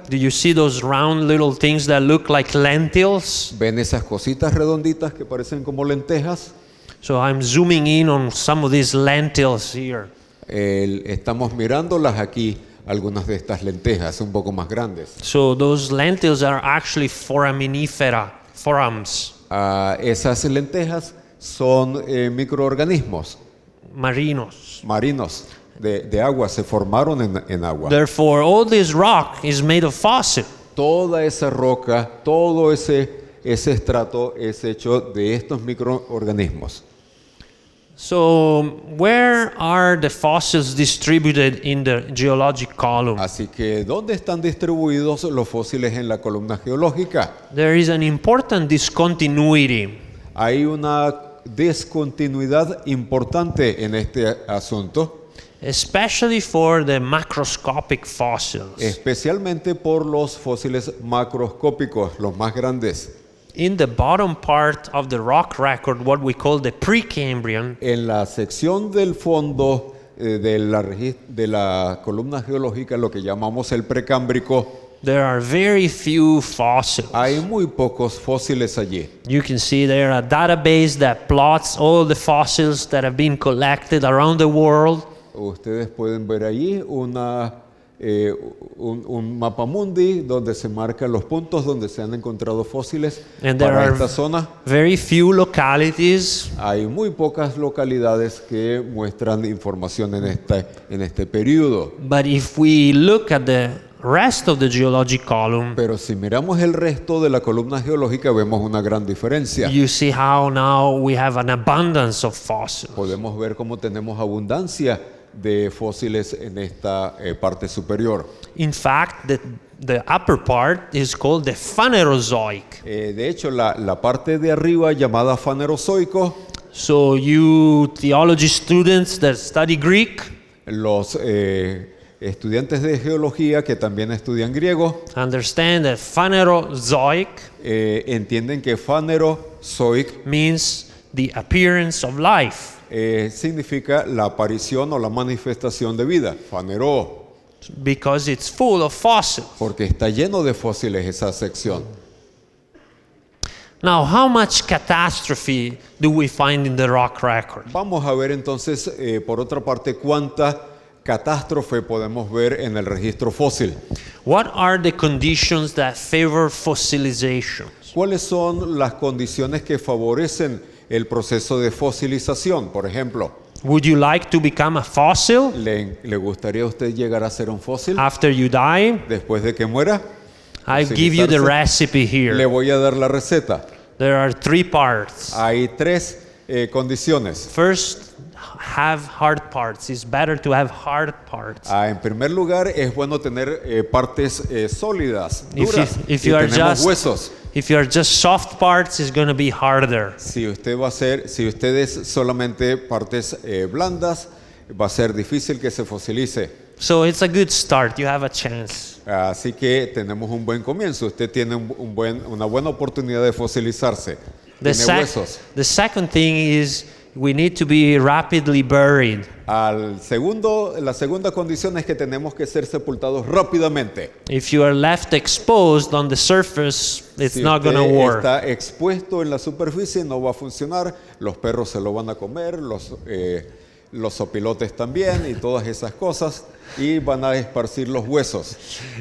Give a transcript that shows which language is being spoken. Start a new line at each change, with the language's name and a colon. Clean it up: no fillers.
English: Do you see those round little things that look like lentils?
Spanish: ¿Ven esas cositas redonditas que parecen como lentejas?
English: So I'm zooming in on some of these lentils here.
Spanish: Estamos mirándolas aquí, algunas de estas lentejas un poco más grandes.
English: So those lentils are actually foraminifera, forams.
Spanish: Esas lentejas son microorganismos marinos de agua, se formaron en agua.
English: Therefore, all this rock is made of fossil.
Spanish: Toda esa roca, todo ese estrato es hecho de estos microorganismos.
English: So, where are the fossils distributed in the geologic column?
Spanish: Así que, ¿dónde están distribuidos los fósiles en la columna geológica?
English: There is an important discontinuity.
Spanish: Hay una discontinuidad importante en este asunto,
English: especially for the macroscopic fossils.
Spanish: Especialmente por los fósiles macroscópicos, los más grandes.
English: In the bottom part of the rock record, what we call the Precambrian,
Spanish: en la sección del fondo de la columna geológica, lo que llamamos el precámbrico,
English: there are very few fossils.
Spanish: Hay muy pocos fósiles allí.
English: You can see there a database that plots all the fossils that have been collected around the world.
Spanish: Ustedes pueden ver allí un mapa mundi donde se marcan los puntos donde se han encontrado fósiles
English: and there
Spanish: para
English: are
Spanish: esta zona.
English: Very few localities.
Spanish: Hay muy pocas localidades que muestran información en este periodo.
English: But if we look at the rest of the geologic column,
Spanish: pero si miramos el resto de la columna geológica vemos una gran diferencia.
English: You see how now we have an abundance of fossils.
Spanish: Podemos ver cómo tenemos abundancia de fósiles en esta parte superior.
English: In fact, the upper part is called the Phanerozoic.
Spanish: De hecho, la parte de arriba llamada Phanerozoico.
English: So you theology students that study Greek,
Spanish: los estudiantes de geología que también estudian griego,
English: understand that Phanerozoic
Spanish: entienden que Phanerozoic
English: means the appearance of life.
Spanish: Significa la aparición o la manifestación de vida, Phanero.
English: Because it's full of fossils.
Spanish: Porque está lleno de fósiles esa sección.
English: Now, how much catastrophe do we find in the rock record?
Spanish: Vamos a ver entonces, por otra parte, cuánta catástrofe podemos ver en el registro fósil.
English: What are the conditions that favor fossilization?
Spanish: ¿Cuáles son las condiciones que favorecen el proceso de fosilización, por ejemplo?
English: Would you like to become a fossil?
Spanish: ¿Le gustaría usted llegar a ser un fósil?
English: After you die?
Spanish: Después de que muera.
English: I give you the recipe here.
Spanish: Le voy a dar la receta.
English: There are three parts.
Spanish: Hay tres condiciones.
English: First, have hard parts. It's better to have hard parts.
Spanish: En primer lugar, es bueno tener partes sólidas, duras.
English: If you are just soft parts, it's going to be harder.
Spanish: Si usted es solamente partes blandas, va a ser difícil que se fosilice.
English: So it's a good start. You have a chance.
Spanish: Así que tenemos un buen comienzo. Usted tiene una buena oportunidad de fosilizarse. Huesos.
English: The second thing is we need to be rapidly buried.
Spanish: La segunda condición es que tenemos que ser sepultados rápidamente.
English: If you are left exposed on the surface, it's not going to work.
Spanish: Si está expuesto en la superficie, no va a funcionar. Los perros se lo van a comer. Los zopilotes también y todas esas cosas y van a esparcir los huesos.